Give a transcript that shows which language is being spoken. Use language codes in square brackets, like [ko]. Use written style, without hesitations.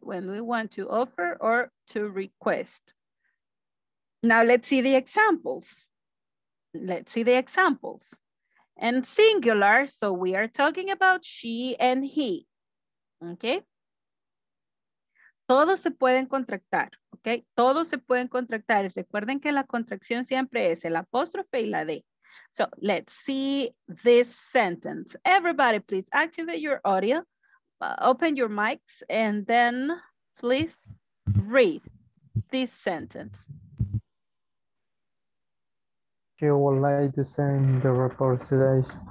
[en] When we want to offer or to request. Now let's see the examples. And singular, so we are talking about she and he, okay? [es] Todos se pueden contractar, ¿ok? Todos se pueden contractar. Y recuerden que la contracción siempre es el apóstrofe y la D. [en] So, let's see this sentence. Everybody, please activate your audio, open your mics, and then please read this sentence. She would like to send the report today.